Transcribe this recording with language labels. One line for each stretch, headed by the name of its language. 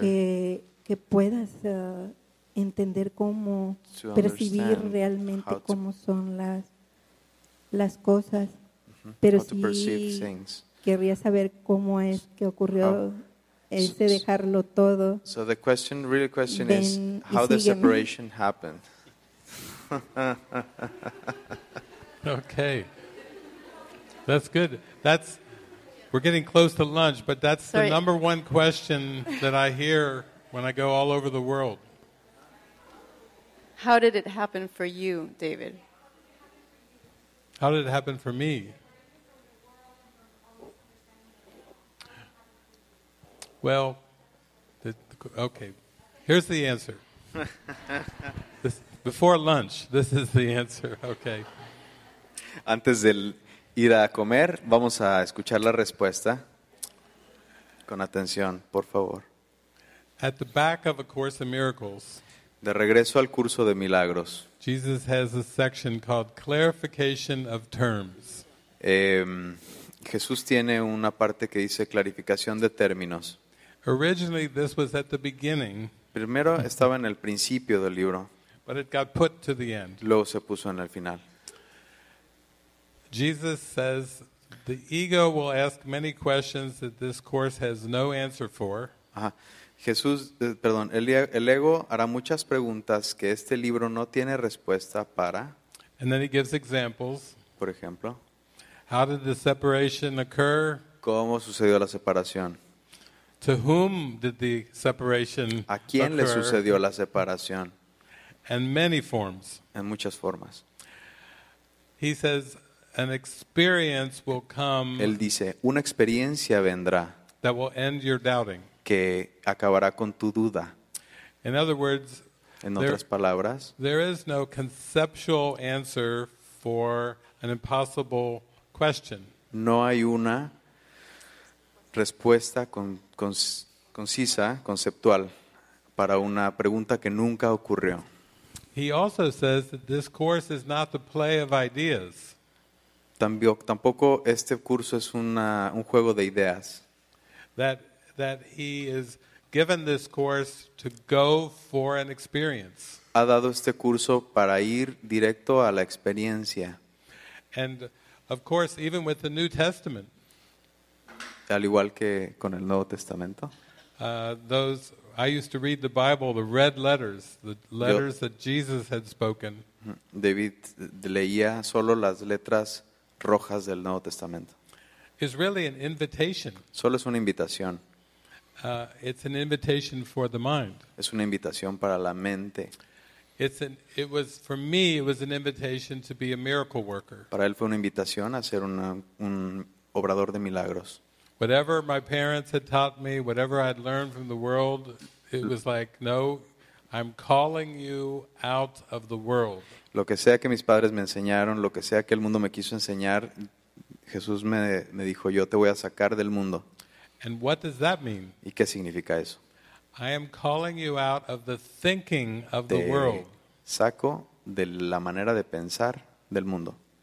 Spanish: que puedas entender cómo percibir realmente cómo son las cosas. Pero
English: how to
Spanish: sí
English: perceive things.
Spanish: Querría saber cómo es que ocurrió ese dejarlo todo.
English: So the question, real question is, how the separation happened. Okay. That's good. That's, we're getting close to lunch, but that's sorry. The number one question that I hear when I go all over the world. How did it happen for you, David? How did it happen for me? Well, okay, here's the answer. Before lunch, this is the answer, okay.
Spanish: Antes de ir a comer, vamos a escuchar la respuesta. Con atención, por favor.
English: At the back of A Course in Miracles,
Spanish: de regreso al curso de milagros,
English: Jesus has a section called Clarification of Terms.
Spanish: Jesús tiene una parte que dice clarificación de términos.
English: Originally, this was at the beginning.
Spanish: Primero estaba en el principio del libro.
English: But it got put to the end.
Spanish: Luego se puso en el final.
English: Jesus says, "The ego will ask many questions that this course has no answer for." Ajá.
Spanish: Jesús, perdón, el ego hará muchas preguntas que este libro no tiene respuesta para.
English: And then he gives examples.
Spanish: Por ejemplo.
English: How did the separation occur?
Spanish: ¿Cómo sucedió la separación?
English: To whom did the separation occur?
Spanish: ¿A quién le sucedió la separación?
English: And many forms.
Spanish: En muchas formas.
English: He says, an experience will come.
Spanish: Él dice, una experiencia vendrá.
English: That will end your doubting.
Spanish: Que acabará con tu duda.
English: In other words,
Spanish: en otras palabras,
English: there is no conceptual answer for an impossible question.
Spanish: No hay una respuesta concisa, conceptual, para una pregunta que nunca ocurrió.
English: He also says that this course is not the play of ideas.
Spanish: Tampoco este curso es un juego de ideas.
English: That he is given this course to go for an experience.
Spanish: Ha dado este curso para ir directo a la experiencia.
English: And of course, even with the New Testament.
Spanish: Al igual que con el Nuevo Testamento.
English: I used to read the Bible, the red letters, the letters that Jesus had spoken.
Spanish: David leía solo las letras rojas del Nuevo Testamento.
English: It's really an invitation.
Spanish: Solo es una invitación.
English: It's an invitation for the mind.
Spanish: Es una invitación para la mente.
English: It was for me, it was an invitation to be a miracle worker.
Spanish: Para él fue una invitación a ser un obrador de milagros.
English: Whatever my parents had taught me, whatever I'd learned from the world, it was like, no, I'm calling you out of the world.
Spanish: Lo que sea que mis padres me enseñaron, lo que sea que el mundo me quiso enseñar, Jesús me dijo, yo te voy a sacar del mundo.
English: And what does that mean?
Spanish: ¿Y qué significa eso?
English: I am calling you out of the thinking of the world.
Spanish: Saco de la manera de pensar del mundo.